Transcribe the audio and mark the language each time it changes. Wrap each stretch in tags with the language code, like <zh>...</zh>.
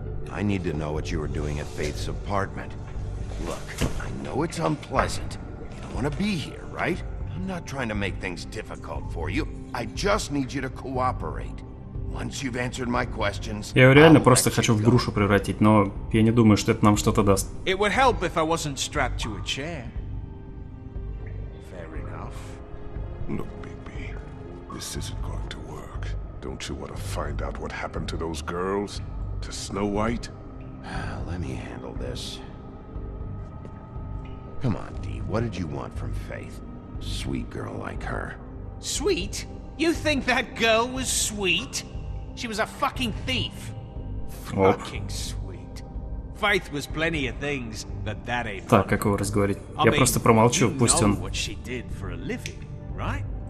<en>I need to know what you were doing at Faith's apartment. Look, I know it's unpleasant. You don't want to be here, right? I'm not trying to make things difficult for you. I just need you to cooperate. Once you've answered my questions,</en> <ru>я реально просто хочу в грушу превратить, но я не думаю, что это нам что-то даст.</ru> <en>It would help if I wasn't strapped to a chair. Fair enough. Look, Big B, this isn't going to work. Don't you want to find out what happened to those girls? To Snow White? Let me handle this. Come on, Dee, what did you want from Faith? Sweet girl like her. Sweet? You think that girl was sweet? She was a fucking thief. Fucking sweet. Faith was plenty of things, but that ain't</en> <ru>Так, как его разговорить? Я просто промолчу, пусть он...</ru> <en>what she did for a living, right?</en>